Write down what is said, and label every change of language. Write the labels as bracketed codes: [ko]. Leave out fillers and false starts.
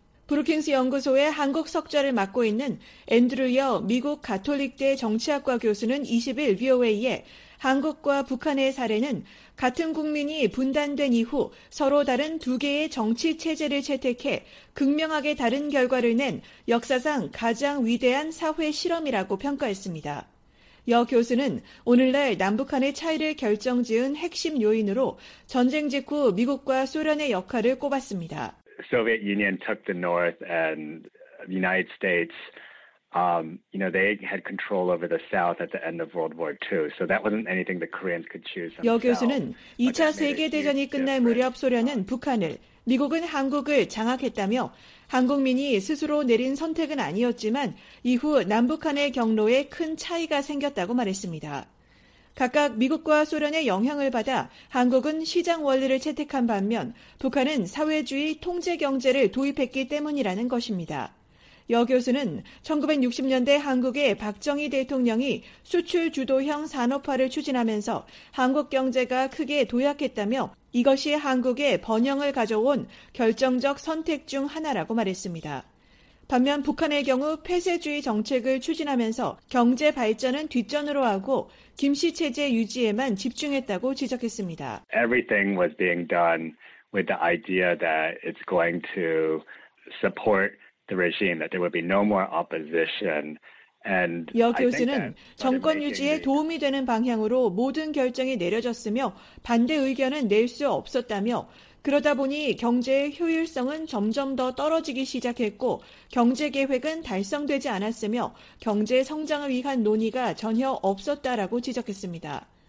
[ko] 브루킹스 연구소의 한국 석좌를 맡고 있는 앤드류 여 미국 가톨릭대 정치학과 교수는 20일 VOA에 한국과 북한의 사례는 같은 국민이 분단된 이후 서로 다른 두 개의 정치 체제를 채택해 극명하게 다른 결과를 낸 역사상 가장 위대한 사회 실험이라고 평가했습니다. 여 교수는 오늘날 남북한의 차이를 결정지은 핵심 요인으로 전쟁 직후 미국과 소련의 역할을 꼽았습니다. [en] Soviet Union took the North and the United States. They had control over the South at the end of World War II. So that wasn't anything the Koreans could choose. [ko] 여 교수는 2차 세계 대전이 끝날 무렵 소련은 북한을, 미국은 한국을 장악했다며 한국민이 스스로 내린 선택은 아니었지만 이후 남북한의 경로에 큰 차이가 생겼다고 말했습니다. 각각 미국과 소련의 영향을 받아 한국은 시장 원리를 채택한 반면 북한은 사회주의 통제 경제를 도입했기 때문이라는 것입니다. 여 교수는 1960년대 한국의 박정희 대통령이 수출 주도형 산업화를 추진하면서 한국 경제가 크게 도약했다며 이것이 한국의 번영을 가져온 결정적 선택 중 하나라고 말했습니다. 반면 북한의 경우 폐쇄주의 정책을 추진하면서 경제 발전은 뒷전으로 하고 김씨 체제 유지에만 집중했다고 지적했습니다. [en] Everything was being done with the idea that it's going to support the regime that there would be no more opposition and [ko] 여 교수는 정권 유지에 도움이 되는 방향으로 모든 결정이 내려졌으며 반대 의견은 낼 수 없었다며 그러다 보니 경제의 효율성은 점점 더 떨어지기 시작했고 경제 계획은 달성되지 않았으며 경제 성장을 위한 논의가 전혀 없었다라고 지적했습니다.